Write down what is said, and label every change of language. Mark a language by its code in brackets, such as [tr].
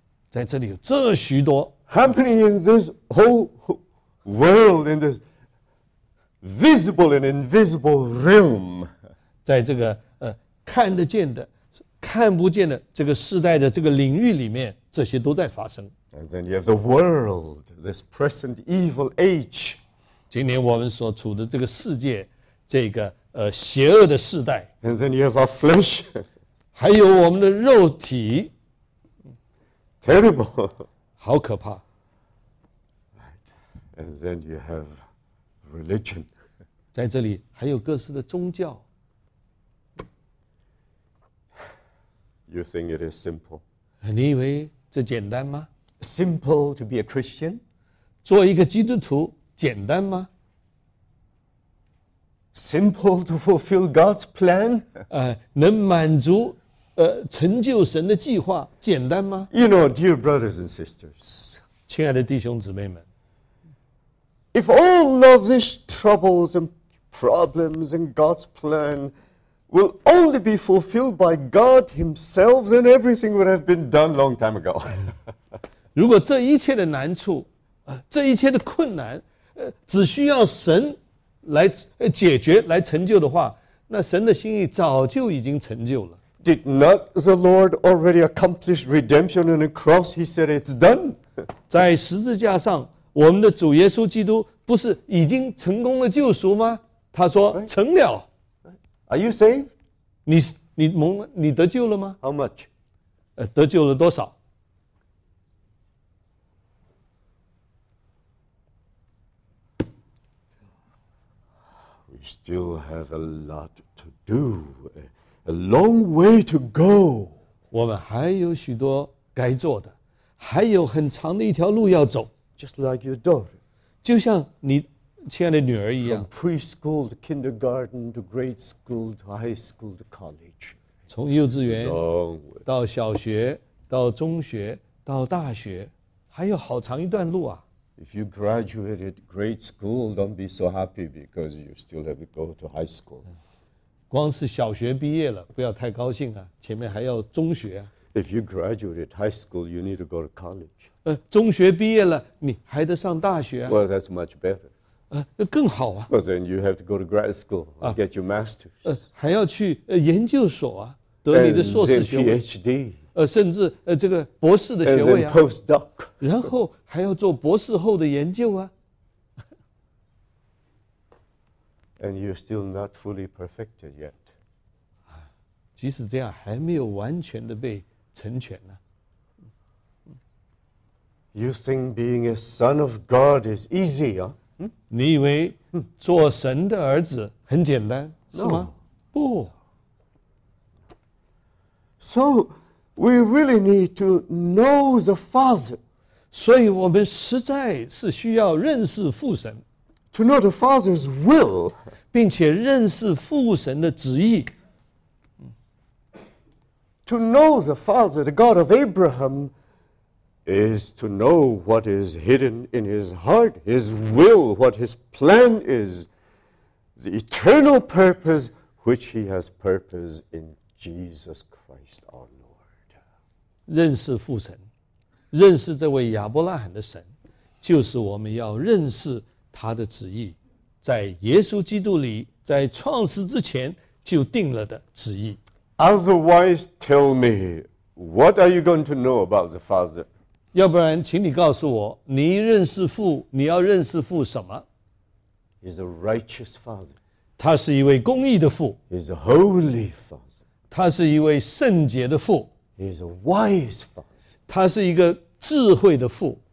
[zh] 在这里有这许多。 [en] Happening in this whole world, in this visible and invisible realm, [zh] 在这个看得见的、看不见的这个世代的这个领域里面，这些都在发生。 [en] And then you have the world, this present evil age. [zh] 今天我们所处的这个世界，这个邪恶的世代。 [en] And then you have our flesh. [zh] 还有我们的肉体。 [en] Terrible. [zh] 好可怕。 [en] Right. And then you have religion. [zh] 在这里还有各式的宗教。 [en] You think it is simple? [zh] 你以为这简单吗 [en] ？Simple to be a Christian? [zh] 做一个基督徒简单吗 [en] ？Simple to fulfill God's plan? [zh] 能满足。成就神的计划简单吗 [en] ？You know, dear brothers and sisters, [zh] 亲爱的弟兄姊妹们 [en] ，If all of these troubles and problems and God's plan will only be fulfilled by God Himself, then everything would have been done long time ago. [zh] 如果这一切的难处，这一切的困难，只需要神来解决、来成就的话，那神的心意早就已经成就了。 [en] Did not the Lord already accomplish redemption on the cross? He said, "It's done." [zh] 在十字架上，我们的主耶稣基督不是已经成功了救赎吗？他说成了。 [en] Are you saved? [zh] 你得救了吗 [en] ？How much? [zh] 得救了多少 [en] ？We still have a lot to do. A long way to go. [zh] 我们还有许多该做的，还有很长的一条路要走。 [en] Just like your daughter. [zh] 就像你亲爱的女儿一样。 [en] From preschool to kindergarten to grade school to high school to college. [zh] 从幼稚园到小学到中学到大学，还有好长一段路啊。 [en] If you graduated grade school, don't be so happy because you still have to go to high school. [zh] 光是小学毕业了，不要太高兴啊，前面还要中学啊。 [en] If you graduated high school, you need to go to college. [zh] 中学毕业了，你还得上大学啊。 [en] Well, that's much better. [zh] 更好啊。 [en] Well, then you have to go to grad school and get your master's. [zh] 还要去研究所啊，得你的硕士学位。 [en] And PhD. [zh] 甚至这个博士的学位啊 [en] postdoc. [zh] 然后还要做博士后的研究啊 [en] And you're still not fully perfected yet. [zh] 即使这样还没有完全的被成全呢、啊、 [en] You think being a son of God is easy, huh? [zh] 你以为做神的儿子很简单、 [en] no. [zh] 是吗不 [en] SoWe really need to know the Father. [zh] 所以我们实在是需要认识父神。 [en] To know the Father's will. [zh] 并且认识父神的旨意。 [en] To know the Father, the God of Abraham, is to know what is hidden in his heart, his will, what his plan is, the eternal purpose which he has purposed in Jesus Christ our Lord. [zh] 认识父神，认识这位亚伯拉罕的神，就是我们要认识他的旨意，在耶稣基督里，在创始之前就定了的旨意。 [en] Otherwise, tell me, what are you going to know about the Father? [zh] 要不然，请你告诉我，你认识父，你要认识父什么 [en] ？He's a righteous Father. [zh] 他是一位公义的父。 [en] He's a holy Father. [zh] 他是一位圣洁的父。 [en] He's a wise father. [zh] 他是一个智慧的父。